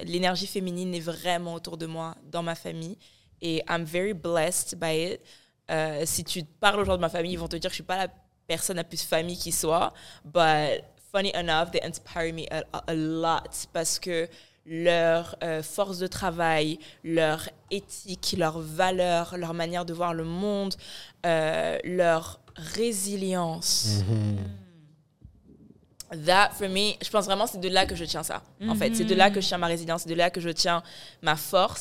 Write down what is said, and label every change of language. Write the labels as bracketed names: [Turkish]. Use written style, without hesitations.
[French] L'énergie féminine est vraiment autour de moi, dans ma famille. Et [English] I'm very blessed by it. [French] Si tu parles aux gens de ma famille, ils vont te dire que je ne suis pas la personne la plus famille qui soit. [English] But funny enough, they inspire me a lot. [French] Parce que leur force de travail, leur éthique, leur valeur, leur manière de voir le monde, leur résilience. Mm-hmm. [English] That, for me, [French] je pense vraiment que c'est de là que je tiens ça. Mm-hmm. En fait, c'est de là que je tiens ma résilience, c'est de là que je tiens ma force.